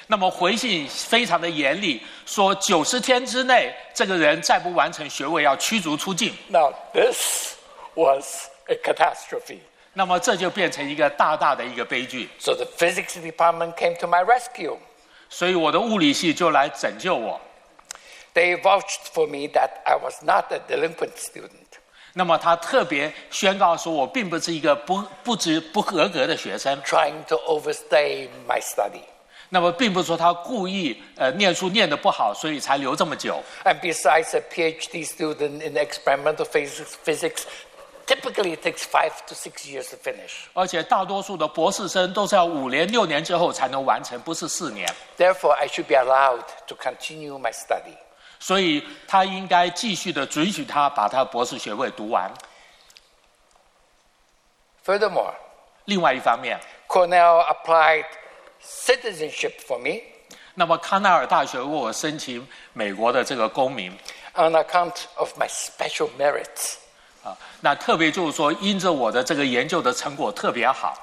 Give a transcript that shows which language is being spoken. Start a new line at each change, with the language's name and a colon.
Chinese: 那么回信非常的严厉，说90天之内，这个人再不完成学位，要驱逐出境。
English: Now this was a catastrophe.
Chinese: 那么这就变成一个大大的一个悲剧。
English: So the physics department came to my rescue.
Chinese: 所以我的物理系就来拯救我。
English: They vouched for me that I was not a delinquent student.
Chinese: 那么他特别宣告说我并不是一个不合格的学生。
English: Trying to overstay my study.
Chinese: 那么并不是说他故意念书念得不好所以才留这么久。
English: And besides a PhD student in experimental physics, typically it takes 5 to 6 years to finish.
Chinese: 而且大多数的博士生都是要5年6年之后才能完成不是4年。
English: Therefore, I should be allowed to continue my study.
Chinese: 所以他应该继续的准许他把他博士学位读完。
English: Furthermore,
Chinese: 另外一方面
English: Cornell appliedcitizenship for me.
Chinese: 那么康奈尔大学为我申请美国的这个公民。
English: On account of my special merits.
Chinese: 那特别就是说因着我的这个研究的成果特别好。